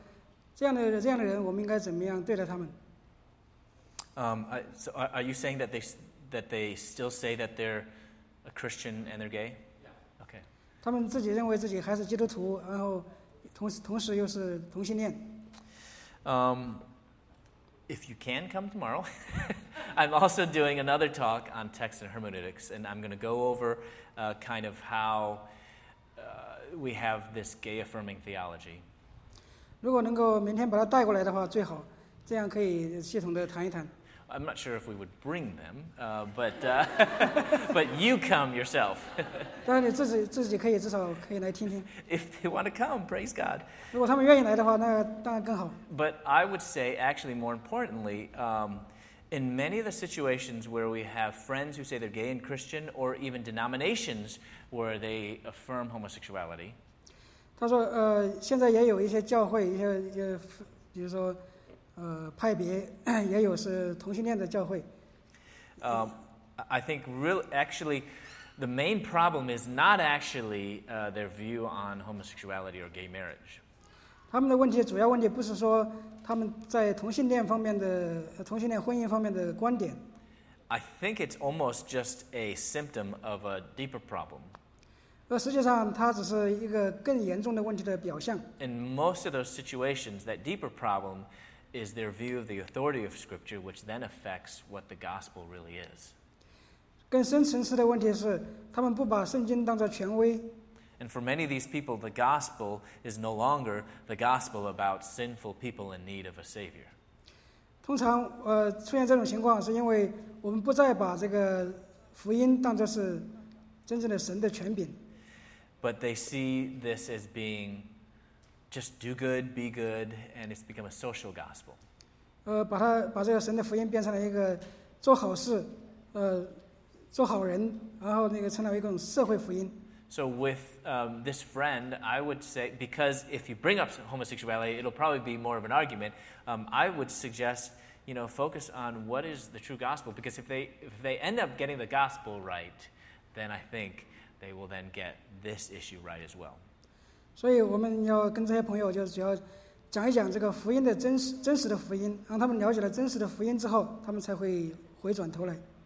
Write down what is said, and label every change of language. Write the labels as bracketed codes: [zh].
[zh] 他说还有的人是这样，他在信耶稣以后，后来就突然就向这个同性恋的这种问题投降了，可以说他再也不信耶稣了。这样的人，我们应该怎么样对待他们？ [en] So are you saying that they still say that they're a Christian and they're gay? Yeah. Okay. [zh] 他们自己认为自己还是基督徒，然后同时又是同性恋。 [en] if you can come tomorrow, I'm also doing another talk on text and hermeneutics, and I'm going to go over kind of how we have this gay-affirming theology. [zh] 如果能够明天把它带过来的话，最好，这样可以系统的谈一谈。 [en] I'm not sure if we would bring them, but you come yourself. [zh] 当然你自己可以至少可以来听听。 [en] If they want to come, praise God. [zh] 如果他们愿意来的话，那当然更好。 [en] But I would say, actually, more importantly, in many of the situations where we have friends who say they're gay and Christian, or even denominations where they affirm homosexuality. [zh] 他说，现在也有一些教会，一些也，比如说。派别也有是同性恋的教会。 [en] I think really, actually, the main problem is not actually their view on homosexuality or gay marriage. [zh] 他们的问题主要问题不是说他们在同性恋方面的同性恋婚姻方面的观点。 [en] I think it's almost just a symptom of a deeper problem. [zh] 实际上它只是一个更严重的问题的表象。 [en] In most of those situations, that deeper problem. Is their view of the authority of Scripture, which then affects what the gospel really is. [zh] 更深层次的问题是，他们不把圣经当作权威。 [en] And for many of these people, the gospel is no longer the gospel about sinful people in need of a savior. [zh] 通常，出现这种情况是因为我们不再把这个福音当作是真正的神的权柄。 [en] But they see this as being. Just do good, be good, and it's become a social gospel. [zh] 把这个神的福音变成了一个做好事，做好人，然后那个成了一种社会福音。 [en] So with this friend, I would say, because if you bring up homosexuality, it'll probably be more of an argument. I would suggest, you know, focus on what is the true gospel, because if they end up getting the gospel right, then I think they will then get this issue right as well. [zh] 所以我们要跟这些朋友就只要讲一讲这个福音的真实的福音，让他们了解了真实的福音之后，他们才会回转头来。